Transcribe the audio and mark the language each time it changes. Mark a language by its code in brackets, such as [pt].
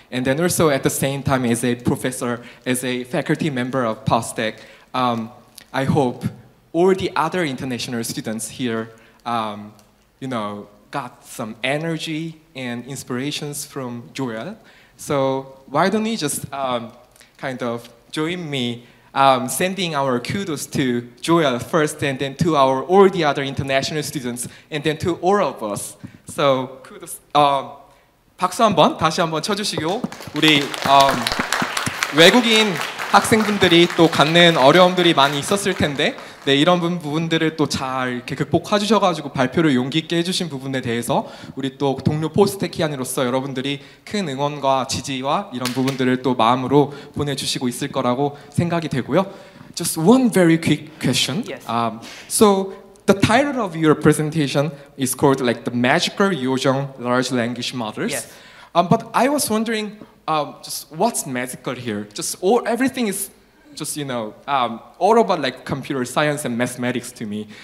[en] And then also at the same time as a professor, as a faculty member of Postec, I hope all the other international students here, you know, got some energy and inspirations from Joel. So why don't you just kind of join me sending our kudos to Joel first and then to all the other international students and then to all of us. So, kudos. [ko] 박수 한번 다시 한번 쳐주시고 우리 외국인 학생분들이 또 갖는 어려움들이 많이 있었을 텐데 네, 이런 부분들을 또 잘 극복해주셔가지고 발표를 용기 있게 해주신 부분에 대해서 우리 또 동료 포스테키안으로서 여러분들이 큰 응원과 지지와 이런 부분들을 또 마음으로 보내주시고 있을 거라고 생각이 되고요. [en] Just one very quick question. Yes. So the title of your presentation is called like the Magical Yojong Large Language Models. Yes. But I was wondering just what's magical here? Just all, everything is just, you know, all about like computer science and mathematics to me.